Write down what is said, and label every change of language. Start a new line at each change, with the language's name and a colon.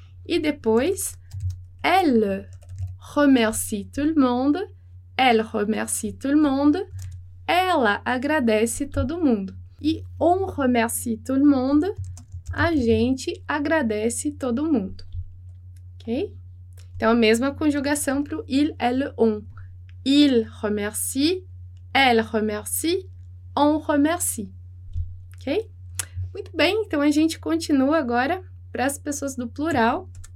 Portuguese: E depois,
French: elle remercie tout le monde, elle remercie tout le monde,
Portuguese: ela agradece todo mundo. E
French: on remercie tout le monde,
Portuguese: a gente agradece todo mundo. Ok? Então, a mesma conjugação para o il, elle, on.
French: Il remercie, elle remercie, on remercie. Ok?
Portuguese: Muito bem, então a gente continua agora para as pessoas do plural.